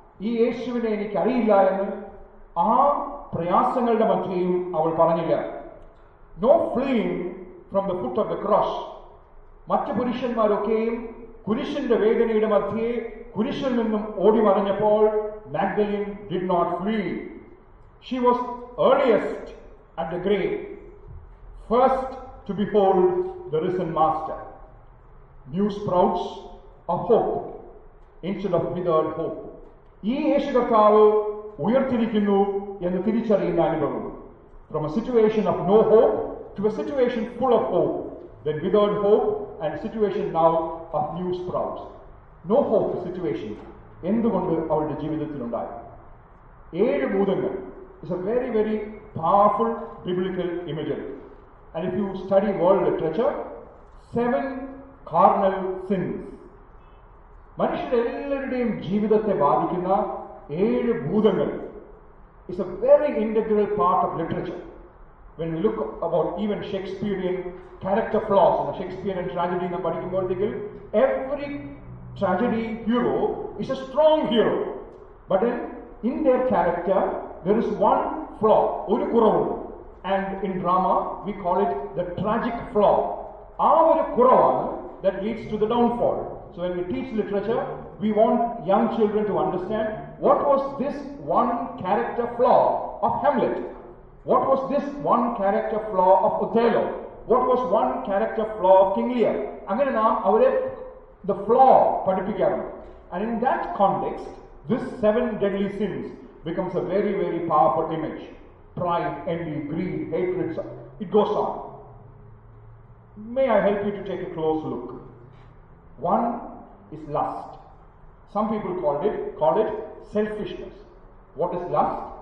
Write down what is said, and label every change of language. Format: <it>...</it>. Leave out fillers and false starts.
<ml>ഈ യേശുവിനെ എനിക്ക് അറിയില്ല എന്ന് ആ പ്രയാസങ്ങളുടെ മധ്യയും അവൾ പറഞ്ഞില്ല.</ml> <en>No fleeing from the foot of the cross.</en> <ml>മറ്റു പുരുഷന്മാരൊക്കെയും കുരിശിന്റെ വേദനയുടെ മധ്യയെ കുരിശിൽ നിന്നും ഓടി മറഞ്ഞപ്പോൾ</ml> <en>Magdalene did not flee. She was earliest at the grave, first to behold the risen master. New sprouts of hope instead of withered hope.</en> <ml>ഈ യേശു കർത്താവ് ഉയർത്തിരിക്കുന്നു എന്ന് തിരിച്ചറിയുന്ന അനുഭവം.</ml> <en>From a situation of no hope to a situation full of hope, then withered hope and situation now of new sprouts. No hope situation</en> <ml>എന്തുകൊണ്ട് അവളുടെ ജീവിതത്തിൽ ഉണ്ടായി?</ml> <en>7 ഭൂതങ്ങൾ is a very very powerful biblical imagery. And if you study world literature, 7 carnal sins.</en> <ml>മനുഷ്യരെല്ലാവരുടെയും ജീവിതത്തെ ബാധിക്കുന്ന 7 ഭൂതങ്ങൾ</ml> <en>is a very integral part of literature. When we look about even Shakespearean character flaws and Shakespearean tragedy in the particular thing, every tragedy hero is a strong hero. But in their character, there is one flaw,</en> <ml>ഒരു കുറവ്.</ml> <en>And in drama, we call it the tragic flaw.</en> <ml>ആ ഒരു കുറവാണ്</ml> <en>that leads to the downfall. So when we teach literature, we want young children to understand what was this one character flaw of Hamlet? What was this one character flaw of Othello? What was one character flaw of King Lear?</en> <ml>അങ്ങനെ നാം അവരെ</ml> <en>the flaw</en> <ml>പഠിപ്പിക്കണം.</ml> <en>And in that context, this seven deadly sins becomes a very, very powerful image. Pride, envy, greed, hatred, it goes on. May I help you to take a close look? One is lust. Some people call it selfishness. What is lust?</en>